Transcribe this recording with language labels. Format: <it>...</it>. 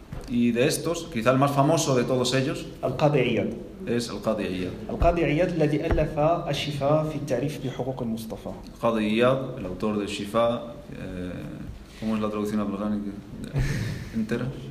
<es>Y de estos, quizá el más famoso de todos ellos, es Al-Qadi Iyad.</es> <ar>Al-Qadi Iyad, الذي ألف الشفاء في التعريف بحقوق المصطفى.</ar> <es>Al-Qadi Iyad, el autor del شفاء, ¿cómo es la traducción al Qur'an entera?</es>